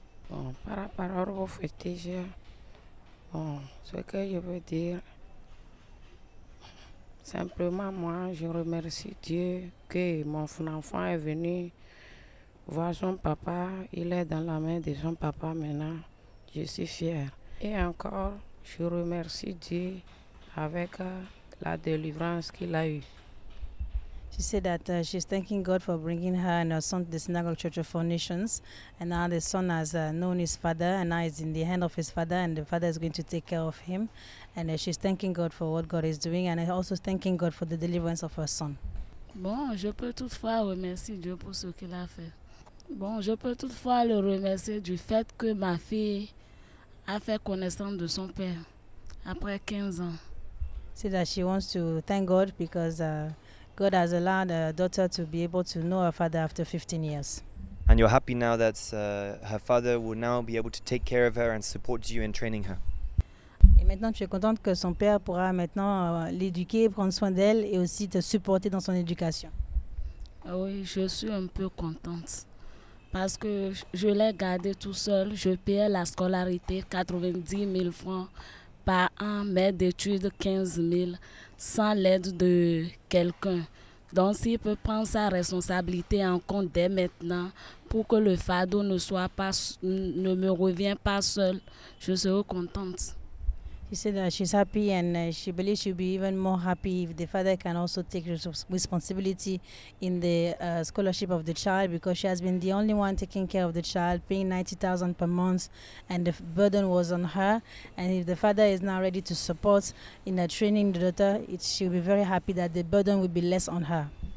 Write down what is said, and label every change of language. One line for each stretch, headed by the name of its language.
French: Bon, par rapport au fétiche, bon, ce que je veux dire, simplement moi, je remercie Dieu que mon enfant est venu voir son papa, il est dans la main de son papa maintenant. Je suis fière. Et encore, je remercie Dieu avec la délivrance qu'il a eue.
English: She said that she's thanking God for bringing her and her son to the Synagogue Church of Foundations. And now the son has known his father, and now he's in the hand of his father, and the father is going to take care of him. And she's thanking God for what God is doing, and also thanking God for the deliverance of her son.
French: Bon, je peux toutefois remercier Dieu pour ce qu'il a fait. Bon, je peux toutefois le remercier du fait que ma fille a fait connaissance de son père après 15 ans.
English: She said that she wants to thank God because God has allowed her daughter to be able to know her father after 15 years. And you're happy now that her father will now be able to take care of her and support you in training her.
French: Et maintenant, tu es contente que son père pourra maintenant l'éduquer, prendre soin d'elle et aussi te supporter dans son éducation. Oui, je suis un peu contente parce que je l'ai gardée tout seul. Je payais la scolarité 90 000 francs par an, mais d'études 15 000 sans l'aide de quelqu'un. Donc s'il peut prendre sa responsabilité en compte dès maintenant pour que le fardeau ne me revient pas seul, je serai contente.
English: She said that she's happy and she believes she'll be even more happy if the father can also take responsibility in the scholarship of the child, because she has been the only one taking care of the child, paying 90,000 per month, and the burden was on her. And if the father is now ready to support in the training the daughter, she'll be very happy that the burden will be less on her.